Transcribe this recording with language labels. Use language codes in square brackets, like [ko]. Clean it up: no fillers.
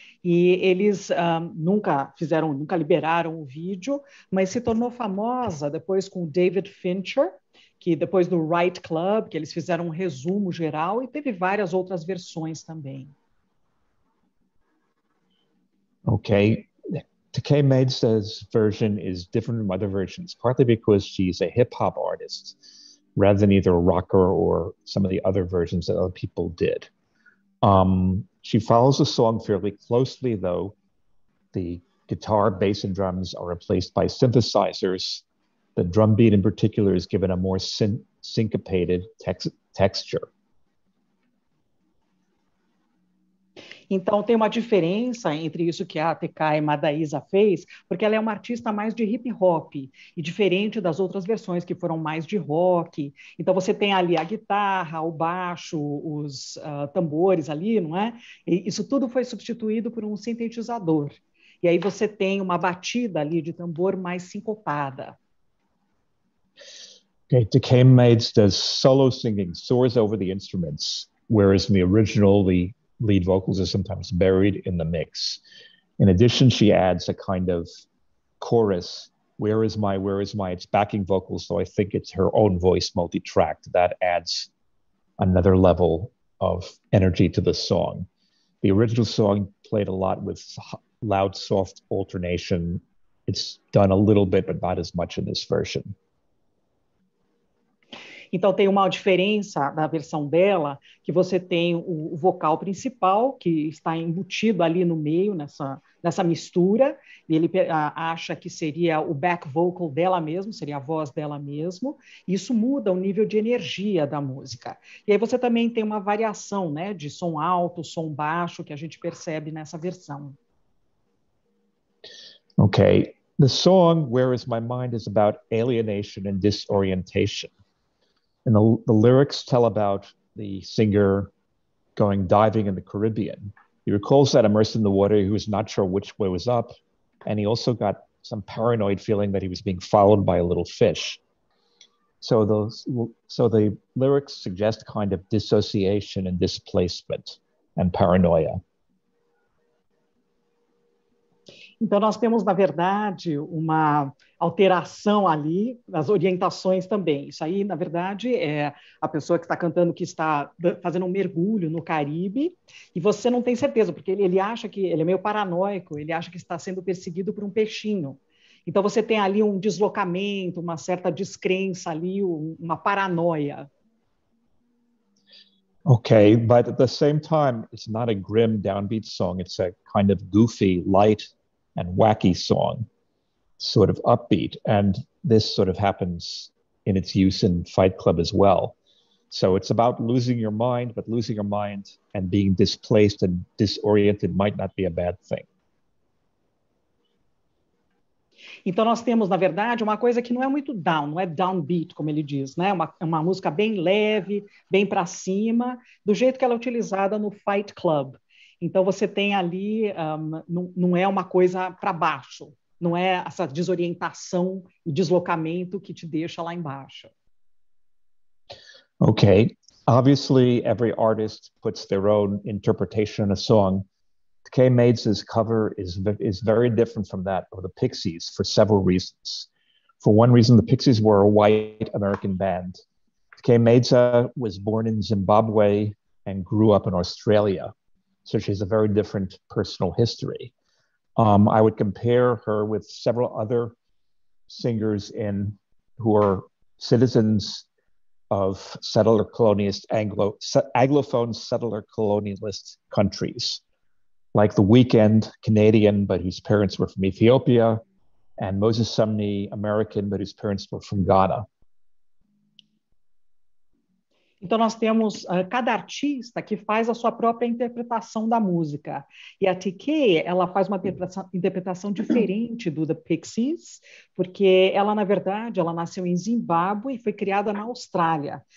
[pt] E eles nunca liberaram o vídeo, mas se tornou famosa depois com David Fincher, que depois do Right Club, que eles fizeram um resumo geral, e teve várias outras versões também. Ok. [en] Takei Maeda's version is different from other versions, partly because she's a hip-hop artist, rather than either a rocker or some of the other versions that other people did. She follows the song fairly closely, though. The guitar, bass, and drums are replaced by synthesizers. The drum beat in particular is given a more syncopated texture. [pt] Então, tem uma diferença entre isso que a Takei Maeda fez, porque ela é uma artista mais de hip-hop, e diferente das outras versões que foram mais de rock. Então, você tem ali a guitarra, o baixo, os tambores ali, não é? E isso tudo foi substituído por um sintetizador. E aí você tem uma batida ali de tambor mais sincopada. [en] Okay, Takei Maeda solo singing soars over the instruments, whereas in the original, the lead vocals are sometimes buried in the mix. In addition, she adds a kind of chorus, where is my, it's backing vocals, so I think it's her own voice multi-tracked. That adds another level of energy to the song. The original song played a lot with loud, soft alternation. It's done a little bit, but not as much in this version. [pt] Então, tem uma diferença na versão dela, que você tem o vocal principal, que está embutido ali no meio, nessa mistura, e ele acha que seria o back vocal dela mesmo, seria a voz dela mesmo, e isso muda o nível de energia da música. E aí você também tem uma variação, né, de som alto, som baixo, que a gente percebe nessa versão. [en] Ok. The song "Where Is My Mind?" is about alienation and disorientation. And the lyrics tell about the singer going diving in the Caribbean. He recalls that immersed in the water, he was not sure which way was up. And he also got some paranoid feeling that he was being followed by a little fish. So the lyrics suggest kind of dissociation and displacement and paranoia. [pt] Então, nós temos, na verdade, uma alteração ali nas orientações também. Isso aí, na verdade, é a pessoa que está cantando que está fazendo um mergulho no Caribe e você não tem certeza, porque ele acha que ele é meio paranoico, ele acha que está sendo perseguido por um peixinho. Então, você tem ali um deslocamento, uma certa descrença ali, uma paranoia. [en] Okay, but at the same time, it's not a grim downbeat song. It's a kind of goofy, light and wacky song, sort of upbeat. And this sort of happens in its use in Fight Club as well. So it's about losing your mind, but losing your mind and being displaced and disoriented might not be a bad thing. [pt] Então, nós temos, na verdade, uma coisa que não é muito down, não é downbeat, como ele diz, né? Uma música bem leve, bem para cima, do jeito que ela é utilizada no Fight Club. Então, você tem ali, não é uma coisa para baixo, não é essa desorientação e deslocamento que te deixa lá embaixo. Ok. [en] Obviously, every artist puts their own interpretation in a song. Kay Maids' cover is very different from that of the Pixies for several reasons. For one reason, the Pixies were a white American band. Kay Maids was born in Zimbabwe and grew up in Australia, so she has a very different personal history. I would compare her with several other singers in who are citizens of settler colonialist Anglophone settler colonialist countries. Like The Weeknd, Canadian, but whose parents were from Ethiopia, and Moses Sumney, American, but whose parents were from Ghana. [pt] Então, nós temos cada artista que faz a sua própria interpretação da música. E a TK, ela faz uma interpretação diferente do The Pixies, porque ela, na verdade, ela nasceu em Zimbábue e foi criada na Austrália.